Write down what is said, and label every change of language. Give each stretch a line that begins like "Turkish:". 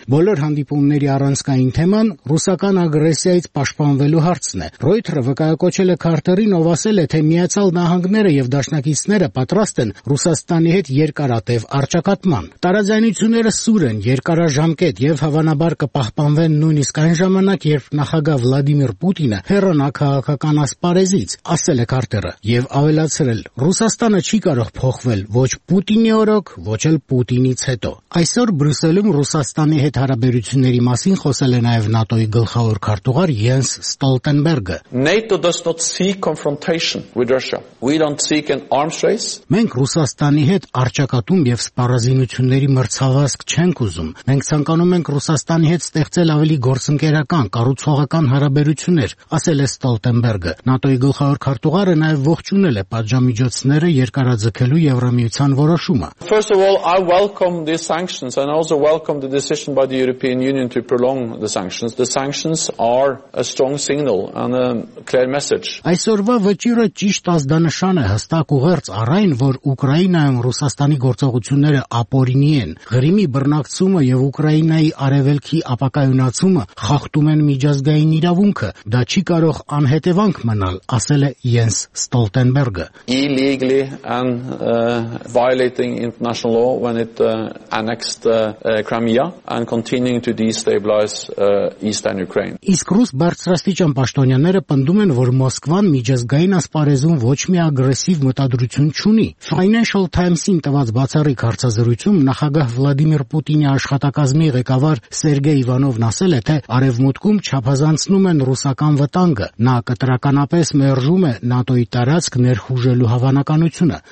Armenian: Բոլոր հանդիպումների առանցքային թեման ռուսական ագրեսիայից պաշտպանվելու հարցն է։ Ռոյթրը վկայակոչել է Քարտերին, ով ասել է, թե Միացյալ Նահանգները եւ դաշնակիցները պատրաստ են Ռուսաստանի հետ երկարատև արճակատման։ Տարաձայնությունները սուր են, երկարաժամկետ եւ հավանաբար կպահպանվեն նույնիսկ այն ժամանակ, երբ նախագահ Վլադիմիր Պուտինը հեռանա քաղաքական ասպարեզից, ասել է Քարտերը, եւ ավելացրել. Ռուսաստանը չի կարող փոխվել ոչ Պուտինի օրոք, ոչ էլ Պուտինից հետո։ Այսօր Բրյուսելում Ռուսաստանի հետ հարաբերությունների մասին խոսել է նաեւ ՆԱՏՕ-ի գլխավոր քարտուղար Յենս Stoltenberg.
English: NATO does not seek confrontation with Russia. We don't seek an arms race.
Armenian: Մենք Ռուսաստանի հետ արճակատում եւ սպառազինությունների մրցավազք չենք ուզում։ Մենք ցանկանում ենք Ռուսաստանի հետ ստեղծել ավելի գործընկերական, կառուցողական հարաբերություններ, ասել է Stoltenberg-ը։ ՆԱՏՕ-ի գլխավոր քարտուղարը նաեւ ողջունել է պատժամիջոցները երկարաձգելու Եվրամիության որոշումը։
English: First of all, I welcome these sanctions and also welcome the decision by the European Union to prolong the sanctions. The sanctions are a strong signal and a clear message.
Armenian: Այսօրվա վճիրը ճիշտ ազդանշան է հստակ ուղերձ առայն, որ Ուկրաինայում Ռուսաստանի գործողությունները ապօրինի են։ Ղրիմի բռնակցումը եւ Ուկրաինայի արևելքի ապակայունացումը խախտում են միջազգային իրավունքը։ Դա չի կարող անհետևանք մնալ, ասել է Յենս Ստոլտենբերգը։
English: Illegally and violating international law when it annexed Crimea and continuing to destabilize eastern Ukraine.
Armenian: Իսկ ռուս բարձրաստիճան պաշտոնյաները պնդում են, որ Մոսկվան միջազգային ասպարեզում ոչ մի ագրեսիվ մտադրություն չունի։ Financial Times-ին տված բացառիկ հարցազրույցում նախագահ Վլադիմիր Պուտինի աշխատակազմի ղեկավար Սերգեյ Իվանովն ասել է, թե արևմուտքում չափազանցնում են ռուսական վտանգը։ Նա կտրականապես մերժում է ՆԱՏՕ-ի տարածք ներխուժելու հավանականությունը։